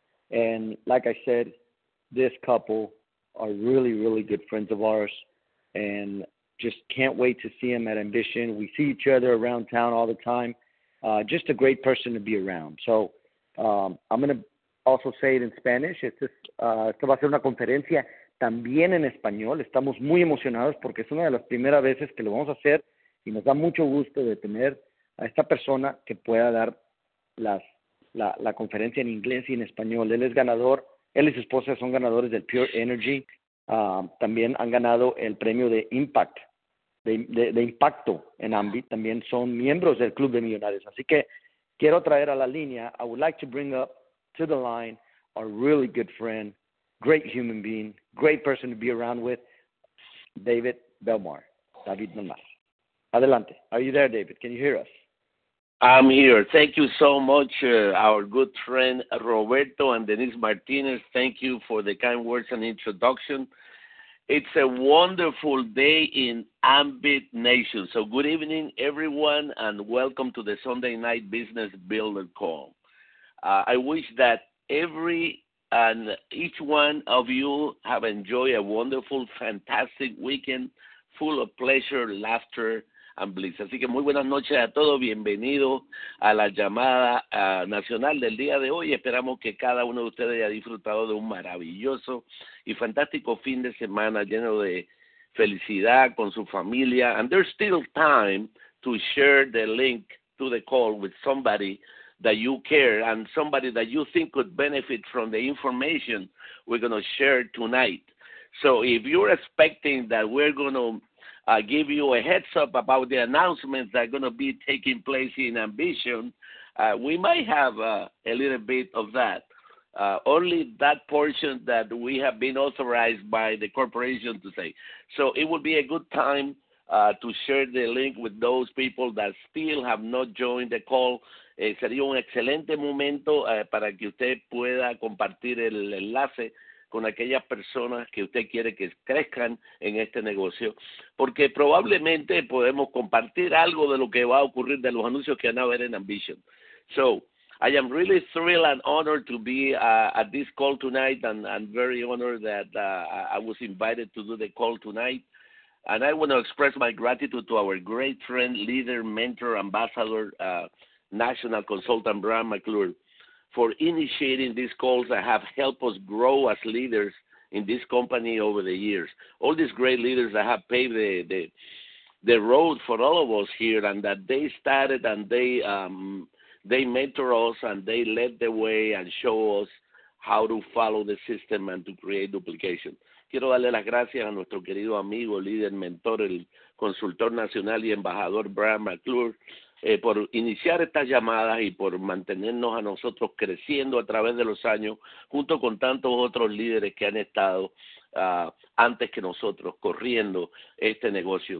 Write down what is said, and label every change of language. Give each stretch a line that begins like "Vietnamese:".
English: And like I said, this couple are really, really good friends of ours. And just can't wait to see him at Ambition. We see each other around town all the time. Just a great person to be around. So I'm going to also say it in Spanish.
Spanish: Esto va a ser una conferencia también en español. Estamos muy emocionados porque es una de las primeras veces que lo vamos a hacer. Y nos da mucho gusto de tener a esta persona que pueda dar la conferencia en inglés y en español. Él es ganador. Él y su esposa son ganadores del Pure Energy. También han ganado el premio de Impact. De impacto en Ambit, también son miembros del Club de Millonarios. Así que quiero traer a la línea,
English: I would like to bring up to the line a really good friend, great human being, great person to be around with, David Belmar. David Belmar.
Spanish: Adelante.
English: Are you there, David? Can you hear us? I'm here. Thank you so much, our good friend Roberto and Denise Martinez. Thank you for the kind words and introduction. It's a wonderful day in Ambit Nation. So good evening, everyone, and welcome to the Sunday Night Business Builder Call. I wish that every and each one of you have enjoyed a wonderful, fantastic weekend full of pleasure, laughter, and bliss.
Spanish: Así que muy buenas noches a todos. Bienvenido a la llamada nacional del día de hoy. Esperamos que cada uno de ustedes haya disfrutado de un maravilloso y fantástico fin de semana lleno de felicidad con su familia.
English: And there's still time to share the link to the call with somebody that you care and somebody that you think could benefit from the information we're going to share tonight. So if you're expecting that we're going to give you a heads up about the announcements that are going to be taking place in Ambition, we might have a little bit of that. Only that portion that we have been authorized by the corporation to say. So it would be a good time to share the link with those people that still have not joined the call.
Spanish: Sería un excelente momento para que usted pueda compartir el enlace con aquellas personas que usted quiere que crezcan en este negocio, porque probablemente podemos compartir algo de lo que va a ocurrir de los anuncios que van a ver en Ambition.
English: So, I am really thrilled and honored to be at this call tonight, and I'm very honored that I was invited to do the call tonight. And I want to express my gratitude to our great friend, leader, mentor, ambassador, national consultant, Brian McClure, for initiating these calls that have helped us grow as leaders in this company over the years. All these great leaders that have paved the road for all of us here, and that they started and they mentor us and they led the way and show us how to follow the system and to create duplication.
Spanish: Quiero darle las gracias a nuestro querido amigo, líder, mentor, el consultor nacional y embajador Brian McClure, por iniciar estas llamadas y por mantenernos a nosotros creciendo a través de los años junto con tantos otros líderes que han estado antes que nosotros corriendo este negocio.